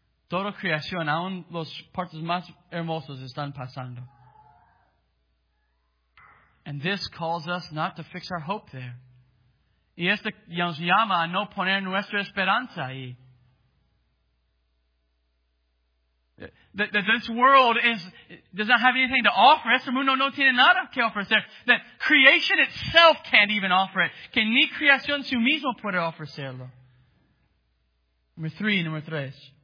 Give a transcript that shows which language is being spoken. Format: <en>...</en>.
<es>Toda creación, aún las partes más hermosas están pasando.</es> <en>And this calls us not to fix our hope there.</en> <es>Y esto nos llama a no poner nuestra esperanza ahí.</es> <en>That this world does not have anything to offer.</en> <es>Este mundo no tiene nada que ofrecer.</es> <en>That creation itself can't even offer it.</en> <es>Que ni creación su mismo puede ofrecerlo. Número tres.</es>